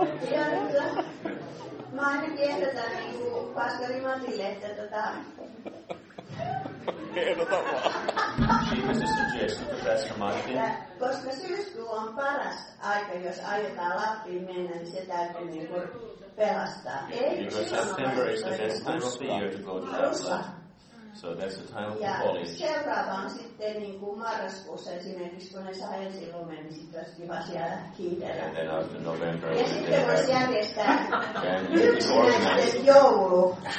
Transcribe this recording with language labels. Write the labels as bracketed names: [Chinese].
[Finnish] Ja nyt mä ainakin ehdotan niin kuin pastori Matille, että tota... Ehdota vaan. [English] She has a suggestion for Pastor Martin. [Finnish] Koska syyskuu on paras aika, jos aiotaan Lappiin mennä, niin se täytyy niinku pelastaa. [English] Because September is the best time of the year to go to Lappia. So that's the time of the holiday. [Finnish] Ja seuraava on sitten niinku marraskuussa esimerkiksi, kun ne saa ensi lumen, niin sitten olisi kiva siellä kiitellä. [English] And then after November. [Finnish] Ja sitten voisi järjestää yksinäiset joulu.